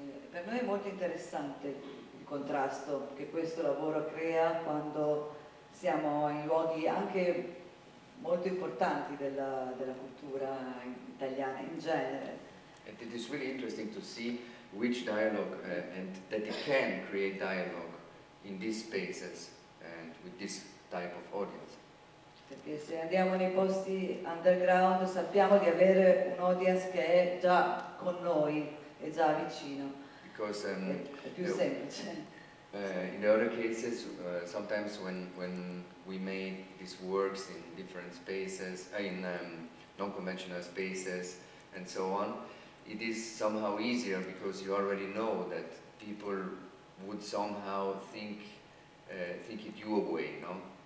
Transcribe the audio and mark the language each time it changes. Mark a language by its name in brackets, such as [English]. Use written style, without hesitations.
[Italian] Per noi è molto interessante il contrasto che questo lavoro crea quando siamo in luoghi anche molto importanti della cultura italiana in genere. [English] And it is really interesting to see which dialogue and that it can create dialogue in these spaces and with this type of audience. [Italian] Perché se andiamo nei posti underground sappiamo di avere un audience che è già con noi, è già vicino. [English] Because [Italian] è più semplice. [English] In other cases, sometimes when we made these works in different spaces, in non-conventional spaces and so on, it is somehow easier because you already know that people would somehow think it your way, no?